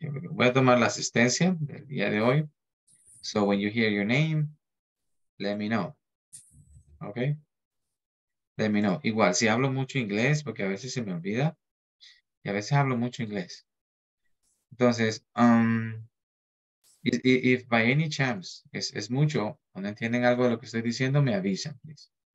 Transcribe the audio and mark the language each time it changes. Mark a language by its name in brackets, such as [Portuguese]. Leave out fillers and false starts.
[Spanish] Voy a tomar la asistencia del día de hoy. [English] So when you hear your name, let me know. Okay? Let me know. [Spanish] Igual, si hablo mucho inglés, porque a veces se me olvida. Y a veces hablo mucho inglés. Entonces, [English] if by any chance [Spanish] es mucho, o no entienden algo de lo que estoy diciendo, me avisan, please.